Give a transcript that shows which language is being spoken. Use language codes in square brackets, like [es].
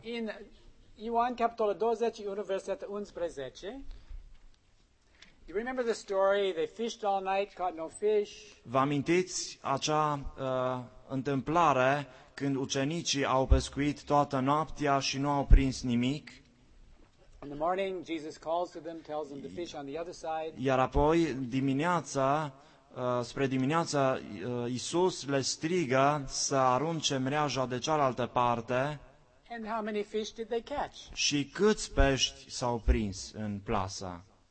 [ro] In Ioan capitolul 21 versetul 11. [en] You remember the story? They fished all night, caught no fish. [ro] Vă amintiți acea întâmplare când ucenicii au pescuit toată noaptea și nu au prins nimic? [en] In the morning, Jesus calls to them, tells them to fish on the other side. [ro] Iar apoi dimineața, spre dimineața, Iisus le strigă să arunce mreaja de cealaltă parte. [en] And how many fish did they catch? [ro] Și câți pești s-au prins în plasă?